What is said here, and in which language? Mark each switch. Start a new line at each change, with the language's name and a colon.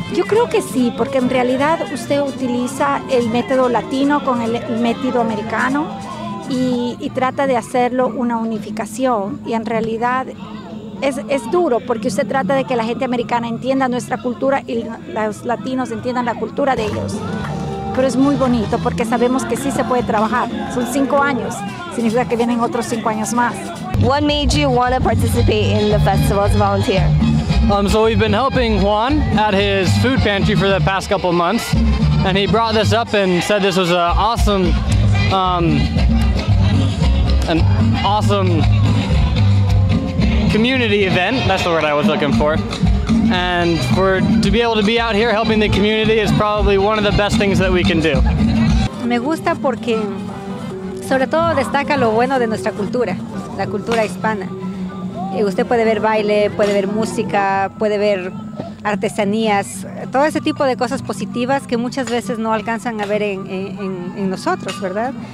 Spanish: Yo creo que sí, porque en realidad usted utiliza el método latino con el método americano y trata de hacerlo una unificación y en realidad es duro porque usted trata de que la gente americana entienda nuestra cultura y los latinos entiendan la cultura de ellos. Pero es muy bonito porque sabemos que sí se puede trabajar. Son 5 años, significa que vienen otros 5 años más.
English: What made you want to participate in the festival as a volunteer? So we've been helping Juan at his food pantry for the past couple months, and he brought this up and said this was an awesome community event. That's the word I was looking for. And for to be able to be out here helping the community is probably one of the best things that we can do.
Spanish: Me gusta porque sobre todo destaca lo bueno de nuestra cultura, la cultura hispana. Usted puede ver baile, puede ver música, puede ver artesanías, todo ese tipo de cosas positivas que muchas veces no alcanzan a ver en nosotros, ¿verdad?